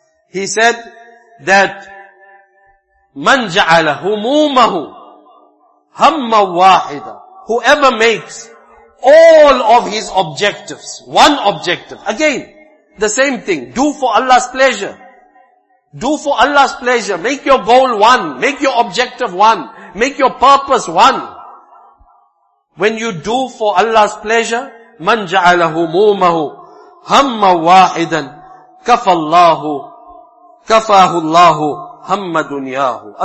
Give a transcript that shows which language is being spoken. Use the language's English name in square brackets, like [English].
[English] He said that, [Arabic] مَنْ جَعَلَ هُمُومَهُ هَمَّ وَاحِدَ. [English] Whoever makes all of his objectives, one objective. Again, the same thing. Do for Allah's pleasure. Do for Allah's pleasure. Make your goal one. Make your objective one. Make your purpose one. When you do for Allah's pleasure, [Arabic] مَنْ جَعَلَ هُمُومَهُ هَمَّ وَاحِدًا كَفَاهُ اللَّهُ هَمَّ دُنْيَاهُ.